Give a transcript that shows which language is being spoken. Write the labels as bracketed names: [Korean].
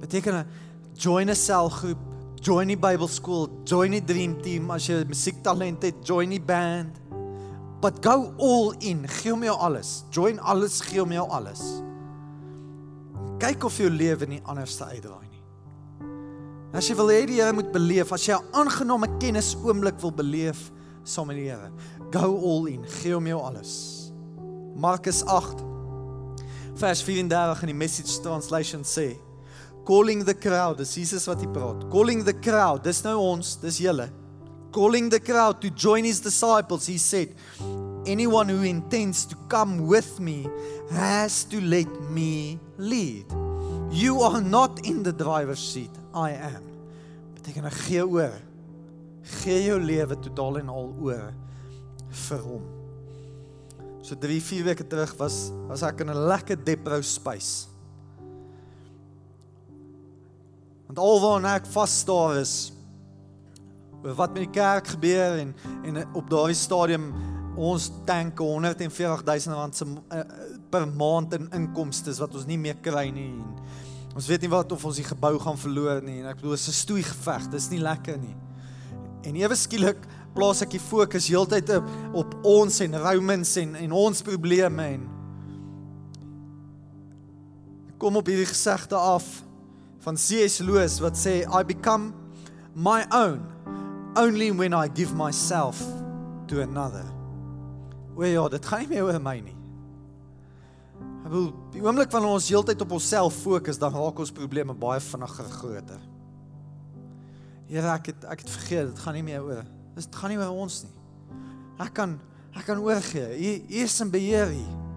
[Afrikaans] Beteken, join a selgroep, join die Bible school, join die dream team, as jy musiektalent het, join die band, [English] but go all in, [Afrikaans] gee om jou alles, join alles, gee om jou alles. Kyk of jou lewe nie anders uitdraai nie. As jy wil hê die Here moet beleef, as jy 'n aangename kennis oomblik wil beleef, saam met die Here, [English] go all in, [Afrikaans] gee om jou alles. Markus 8, vers 34 in die Message Translation sê, [English] calling the crowd, [Afrikaans] dis Jesus wat hy praat, [English] calling the crowd, [Afrikaans] dis nou ons, dis julle, [English] calling the crowd to join his disciples, he said, anyone who intends to come with me has to let me lead. You are not in the driver's seat, I am. [Afrikaans] Beteken, gee oor, gee jou lewe totaal en al oor vir hom. So 3-4 weke terug was ek in 'n lekker depro space. Want al waarin ek vasstaar is, oor wat met die kerk gebeur, en op daardie stadium ons tank 140,000 rand per maand in inkomstes, wat ons nie meer kry nie, en ons weet nie wat, of ons die gebou gaan verloor nie, en ek bedoel, dit is 'n stoei geveg, dit is nie lekker nie. En ewe skielik plaas ek die fokus heeltyd op ons en Romans en ons probleme, en kom op hierdie gesegde af van C.S. [English] Lewis [Afrikaans] wat sê, [English] I become my own only when I give myself to another. [Afrikaans] O ja, dit gaan nie meer oor my nie. Ek bedoel, die oomblik wanneer ons heeltyd op onsself fokus, dan raak ons probleme baie vinniger groter. Heere, ek het vergeet, dit gaan nie meer oor. Dit gaan nie oor ons nie. Ek kan oorgee. Hy is in beheer hier.